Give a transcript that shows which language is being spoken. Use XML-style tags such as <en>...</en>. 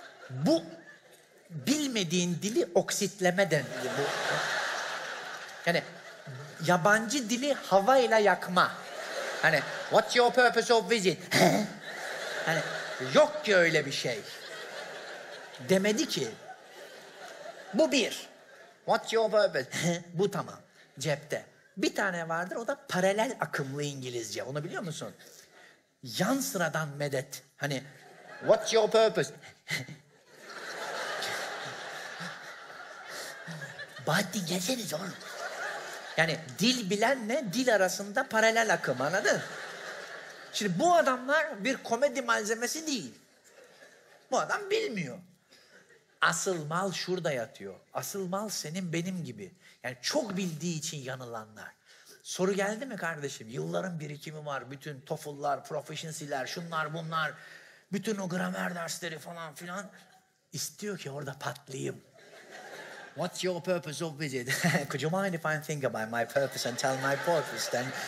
<tr>Bu bilmediğin dili oksitleme denir. Yani yabancı dili havayla yakma. Hani</tr> <en>what's your purpose of visit?</en> <tr>Hani yok ki öyle bir şey. Demedi ki. Bu bir.</tr> <en>What's your purpose?</en> <tr>Bu tamam. Cepte. Bir tane vardır, o da paralel akımlı İngilizce. Onu biliyor musun? Yan sıradan medet. Hani</tr> <en>what's your purpose?</en> <tr>Bahattin gelsenize oğlum. Yani dil bilenle dil arasında paralel akım, anladın? Şimdi bu adamlar bir komedi malzemesi değil. Bu adam bilmiyor. Asıl mal şurada yatıyor. Asıl mal senin benim gibi. Yani çok bildiği için yanılanlar. Soru geldi mi kardeşim? Yılların birikimi var. Bütün TOEFL'lar, proficiency'ler, şunlar bunlar. Bütün o gramer dersleri falan filan. İstiyor ki orada patlayayım.</tr> <en>What's your purpose of visit? Could you mind if I think about my purpose and tell my purpose then?</en>